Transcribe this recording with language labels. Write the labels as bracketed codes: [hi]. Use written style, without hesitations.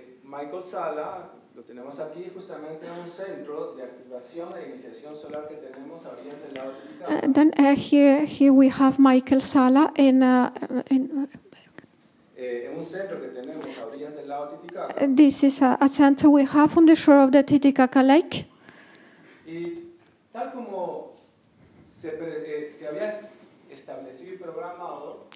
[es] Michael Sala, lo tenemos aquí justamente en un centro de activación e iniciación solar que tenemos a orillas del lago Titicaca. [en] Then here we have Michael Sala [es] en un centro que tenemos a orillas del lago Titicaca. [en] This is a center we have on the shore of the Titicaca Lake. [es] Y tal como se había establecido y programado,